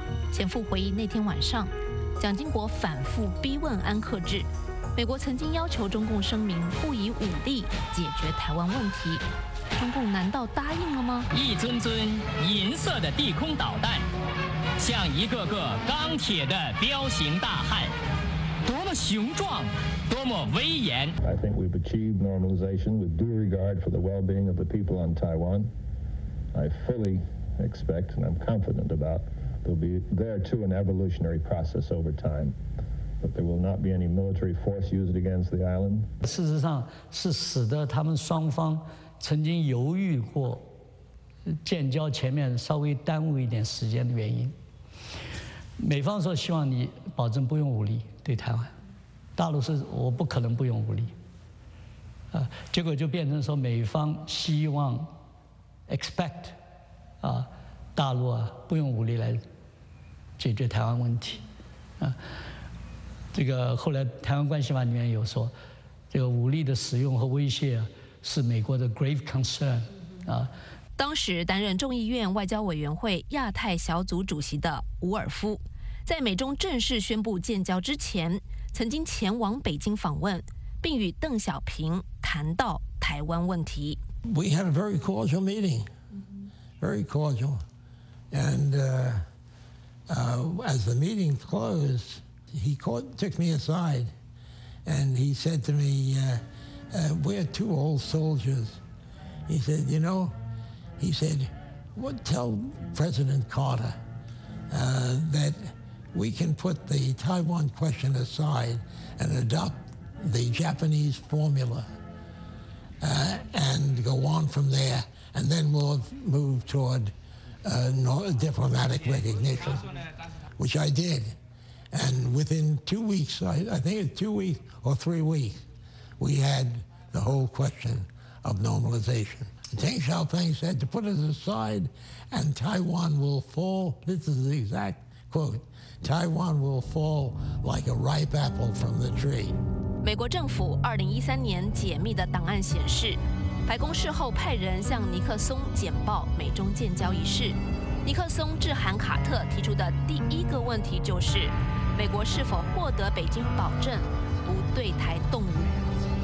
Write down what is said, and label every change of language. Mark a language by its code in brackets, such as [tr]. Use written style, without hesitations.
[zh] 前夫回忆，那天晚上蒋经国反复逼问安克志，美国曾经要求中共声明不以武力解决台湾问题，中共难道答应了吗？一尊尊银色的地空导弹，像一个个钢铁的彪形大汉，多么雄壮，多么威严。 [en] I think we've achieved normalization with due regard for the well-being of the people on Taiwan. I fully expect and I'm confident about there'll be there too an evolutionary process over time. But there will not be any military force used against the island. [zh] 事实上是使得他们双方曾经犹豫过建交前面稍微耽误一点时间的原因。美方说希望你保证不用武力对台湾，大陆是我不可能不用武力。结果就变成说美方希望 [en] expect [zh] 啊大陆啊不用武力来解决台湾问题，啊。这个后来《台湾关系法》里面有说，这个武力的使用和威胁是美国的 [en] grave concern [zh] 啊。当时担任众议院外交委员会亚太小组主席的伍尔夫，在美中正式宣布建交之前，曾经前往北京访问，并与邓小平谈到台湾问题。 [en] We had a very cordial meeting, very cordial, and as the meeting closed. He caught, took me aside and he said to me, we're two old soldiers. He said, you know, he said, what, tell President Carter that we can put the Taiwan question aside and adopt the Japanese formula and go on from there. And then we'll move toward diplomatic recognition, which I did. And within 2 weeks, I think it was 2 weeks or 3 weeks, we had the whole question of normalization. Deng Xiaoping said to put it aside and Taiwan will fall, this is the exact quote, Taiwan will fall like a ripe apple from the tree. [zh] 美国政府2013年解密的档案显示，白宫事后派人向尼克松简报美中建交一事。尼克松致函卡特提出的第一个问题就是，美国是否获得北京保证不对台动武？